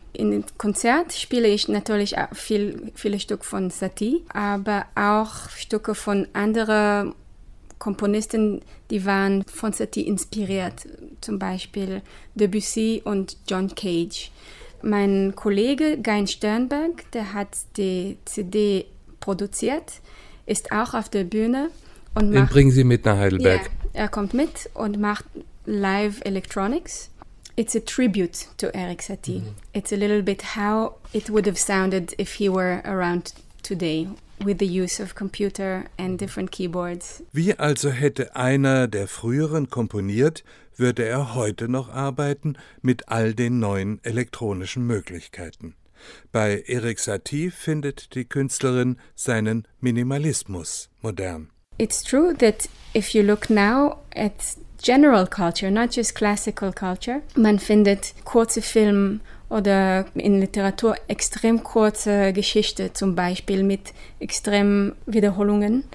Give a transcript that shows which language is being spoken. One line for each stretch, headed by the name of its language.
German: In dem Konzert spiele ich natürlich auch viele Stücke von Satie, aber auch Stücke von anderen Komponisten, die waren von Satie inspiriert, zum Beispiel Debussy und John Cage. Mein Kollege Gein Sternberg, der hat die CD produziert, ist auch auf der Bühne. Und den bringen Sie mit nach Heidelberg. Ja, er kommt mit und macht live Electronics.
English: It's a tribute to Erik Satie. Mm-hmm. It's a little bit how it would have sounded if he were around today, with the use of computer and different keyboards.
German: Wie also hätte einer der früheren komponiert, würde er heute noch arbeiten mit all den neuen elektronischen Möglichkeiten. Bei Erik Satie findet die Künstlerin seinen Minimalismus modern.
English: It's true that if you look now at general culture, not just classical culture,
German: man findet kurze Filme oder in Literatur extrem kurze Geschichten, zum Beispiel mit extremen Wiederholungen.